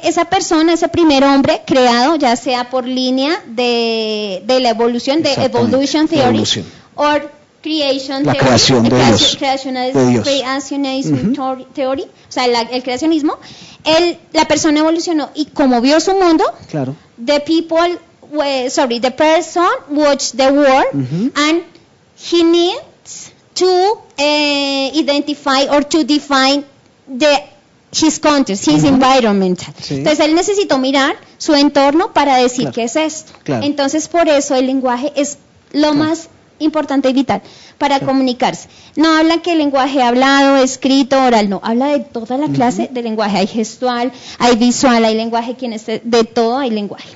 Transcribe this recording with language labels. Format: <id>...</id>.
<es>esa persona, ese primer hombre creado, ya sea por línea de la evolución, de</es> <en>evolution theory,</en> <es>o</es> <en>creation</en> <es>la</es> <en>theory,</en> <es>creación de Dios.</es> <en>Creacionism theory,</en> <es>o sea, el creacionismo, la persona evolucionó y como vio su mundo, claro.</es> <en>The person watched the world and he needs to identify or to define his context, his environment.</en> <es>Sí. Entonces él necesitó mirar su entorno para decir qué es esto. Claro. Entonces por eso el lenguaje es lo más importante y vital para comunicarse. No habla que el lenguaje hablado, escrito, oral, no. Habla de toda la clase de lenguaje. Hay gestual, hay visual, hay lenguaje, de todo hay lenguaje.</es>